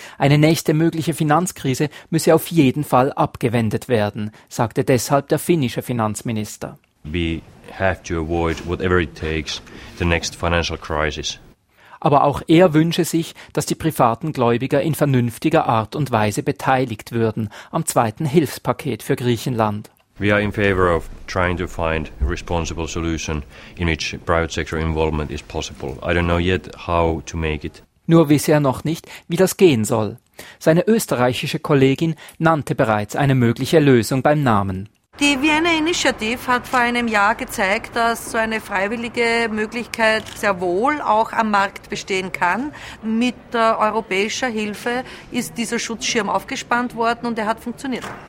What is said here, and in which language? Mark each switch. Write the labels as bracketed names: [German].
[German] Eine nächste mögliche Finanzkrise müsse auf jeden Fall abgewendet werden, sagte deshalb der finnische Finanzminister. [English] We have to avoid whatever it takes the next financial crisis. [German] Aber auch er wünsche sich, dass die privaten Gläubiger in vernünftiger Art und Weise beteiligt würden am zweiten Hilfspaket für Griechenland. [English] We are in favor of trying to find a responsible solution in which private sector involvement is possible. I don't know yet how to make it. [German] Nur wisse er noch nicht, wie das gehen soll. Seine österreichische Kollegin nannte bereits eine mögliche Lösung beim Namen. Die Vienna Initiative hat vor einem Jahr gezeigt, dass so eine freiwillige Möglichkeit sehr wohl auch am Markt bestehen kann. Mit europäischer Hilfe ist dieser Schutzschirm aufgespannt worden und er hat funktioniert.